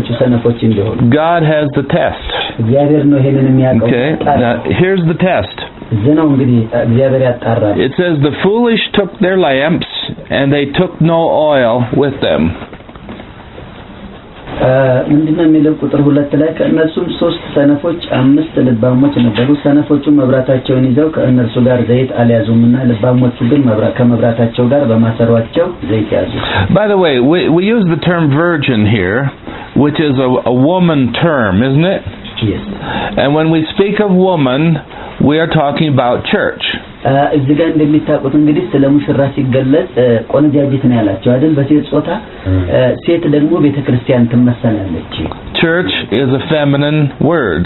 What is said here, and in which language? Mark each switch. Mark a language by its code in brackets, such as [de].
[en] God has the test. Okay, now here's the test. It says, the foolish took their lamps and they took no oil with them. [am] ምንድነው የሚለው ቁጥር 2 ላይ ከነሱም 3 ሰነፎች 5 ልባሞች ነበሩ ሰነፎቹ መብራታቸውን ይዘው ከነርሱ ጋር ዘይት አልያዙምና ልባሞቹ ግን ከመብራታቸው ጋር በማሰሯቸው ዘይት ያዙ [en] By the way we use the term virgin here which is a woman term isn't it Yes. And when we speak of woman, we are talking about church. Church is a feminine word.